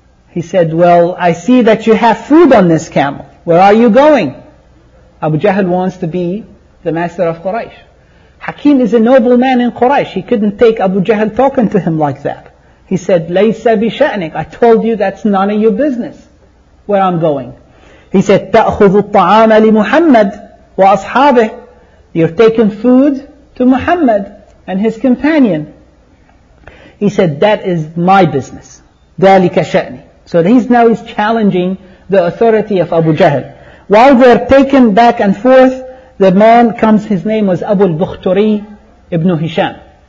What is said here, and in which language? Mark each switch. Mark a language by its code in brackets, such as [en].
[en] He said, well, I see that you have food on this camel. Where are you going? Abu Jahl wants to be the master of Quraysh. Hakim is a noble man in Quraysh. He couldn't take Abu Jahl talking to him like that. He said, [ar] Laysa bishanik. [en] I told you that's none of your business where I'm going. He said, [ar] تَأْخُذُ الطَّعَامَ لِمُحَمَّدِ وَأَصْحَابِهِ. [en] You're taking food to Muhammad and his companion. He said, that is my business. [ar] ذَلِكَ شَأْنِي. [en] So he's challenging the authority of Abu Jahl. While they're taken back and forth, the man comes, his name was Abu al-Bukhturi ibn Hisham.